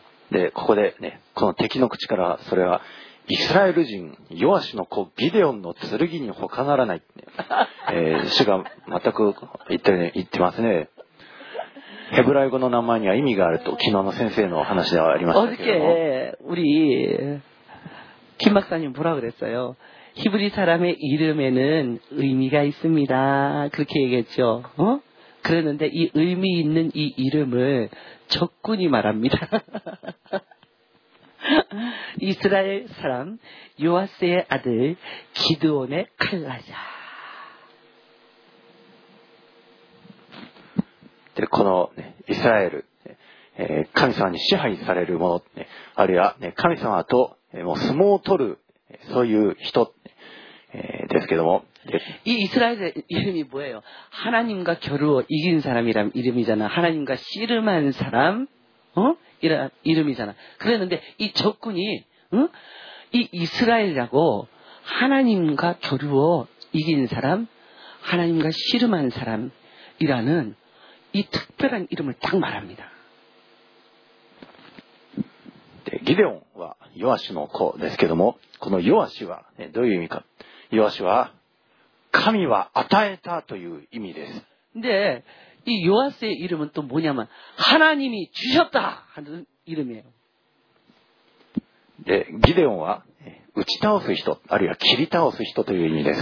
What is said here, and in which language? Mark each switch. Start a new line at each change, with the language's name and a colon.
Japanese: 네ここでねこの敵の口からそれはイスラエル人ヨアシの子ギデオンの剣に他ならない主が全く言ってますね。ヘブライ語の名前には意味があると昨日の先生の話ではありましたけども
Korean: 어저께우리김박사님뭐라그랬어요 히브리 사람의 이름에는 의미가 있습니다. 그렇게 얘기했죠. 어? 그러는데 이 의미 있는 이 이름을 적군이 말합니다. 이스라엘 사람 요아스의 아들 기드온의 칼라자.
Japanese: でこのイスラエル神様に支配されるものあるいは神様と相撲を取るそういう人ですけども。
Korean: 이 이스라엘의 이름이 뭐예요? 하나님과 겨루어 이긴 사람이란 이름이잖아. 하나님과 씨름한 사람, 어? 이란 이름이잖아. 그랬는데 이 적군이, 응? 이 이스라엘이라고 하나님과 겨루어 이긴 사람, 하나님과 씨름한 사람이라는 이 특별한 이름을 딱 말합니다. 네, 기드온은 요아시의
Japanese: 子ですけども,
Korean: 이 요아시는 어떤 의미입니까?
Japanese: 요아시는 神は与えたという意味です。
Korean: で、이요아스의이름은또뭐냐면하나님이주셨다하는이름이에요。
Japanese: で、ギデオンは打ち倒す人、あるいは切り倒す人という意味です。